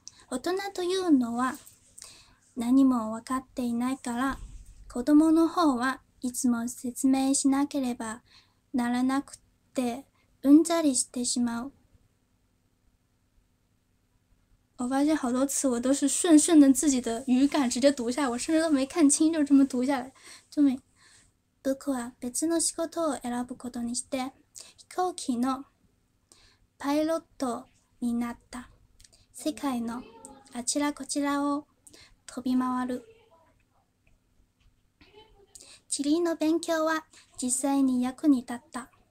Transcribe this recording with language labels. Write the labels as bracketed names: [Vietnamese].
[Japanese] 大人というのは何も分かっていないから、子供の方はいつも説明しなければならなくてうんざりしてしまう。 [Chinese] 我发现好多词我都是顺顺的自己的语感直接读下来，我甚至都没看清就这么读下来。就没。 [Japanese] 僕は別の仕事を選ぶことにして、飛行機のパイロットになった。世界のあちらこちらを飛び回る。地理の勉強は実際に役に立った。